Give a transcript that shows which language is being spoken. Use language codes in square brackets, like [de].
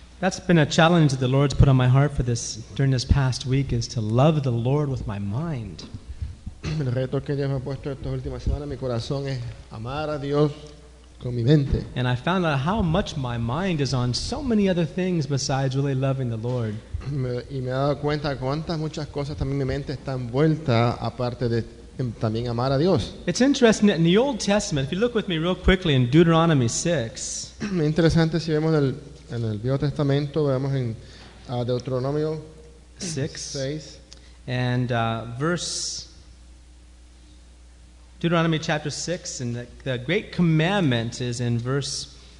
[en] That's been a challenge that the Lord's put on my heart for this during this past week, is to love the Lord with my mind. [es] El reto que Dios me ha puesto estas últimas semanas en mi corazón es amar a Dios con mi mente. [en] And I found out how much my mind is on so many other things besides really loving the Lord. [es] Y me he dado cuenta cuántas muchas cosas también mi mente está envuelta aparte de también amar a Dios. [en] It's interesting that in the Old Testament, if you look with me real quickly in Deuteronomy 6. [es] Es interesante si vemos en el Viejo Testamento, vemos en Deuteronomio 6. [en] And Deuteronomy chapter 6, and the great commandment is in verse